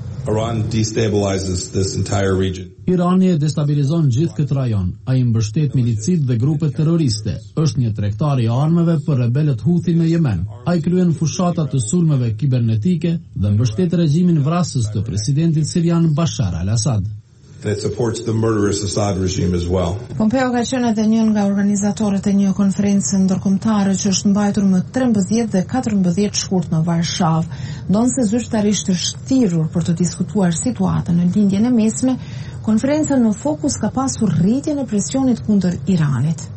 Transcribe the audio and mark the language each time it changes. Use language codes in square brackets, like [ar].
[en] Iran destabilizes this entire region. [sq] Irani e destabilizon gjithë këtë rajon. Ai mbështet milicitë dhe grupet terroriste. Është një tregtar i armëve për rebelët Huthi në Yemen. Ai kryen fushata të sulmeve kibernetike dhe mbështet regjimin vrasës të presidentit sirian Bashar al-Assad. [en] That supports the murderous Assad regime as well. [sq] Pompeo ka qenë edhe njën nga organizatorët e një konferencë ndërkombëtare që është mbajtur më 13 dhe 14 shkurt në Varshavë. Ndonë se zyrtarisht është thirrur për të diskutuar situatën në Lindjen e Mesme, konferenca në fokus ka pasur rritjen e presionit kundër Iranit.